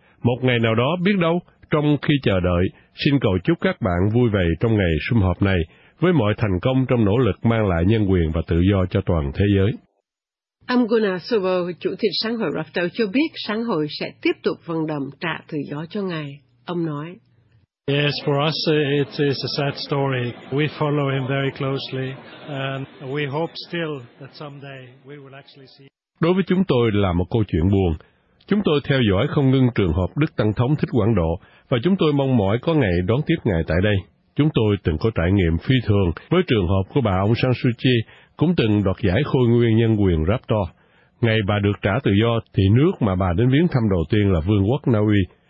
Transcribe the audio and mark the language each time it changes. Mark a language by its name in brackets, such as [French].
[Vietnamese] Một ngày nào đó biết đâu, trong khi chờ đợi, xin cầu chúc các bạn vui vầy trong ngày sum họp này, với mọi thành công trong nỗ lực mang lại nhân quyền và tự do cho toàn thế giới. Ông Gunnar Sobo, chủ tịch sáng hội Raptor, cho biết sáng hội sẽ tiếp tục vận động trả tự do cho ngài. Ông nói: [English] "Yes, for us it is a sad story. We follow him very closely and we hope still that someday we will actually see." [Vietnamese] Đối với chúng tôi là một câu chuyện buồn. Chúng tôi theo dõi không ngưng trường hợp Đức Tăng Thống Thích Quảng Độ và chúng tôi mong mỏi có ngày đón tiếp ngài tại đây. Chúng tôi từng có trải nghiệm phi thường với trường hợp của bà ông San Suu Kyi, cũng từng đoạt giải khôi nguyên nhân quyền Raptor. Ngày bà được trả tự do thì nước mà bà đến viếng thăm đầu tiên là Vương quốc Na Uy.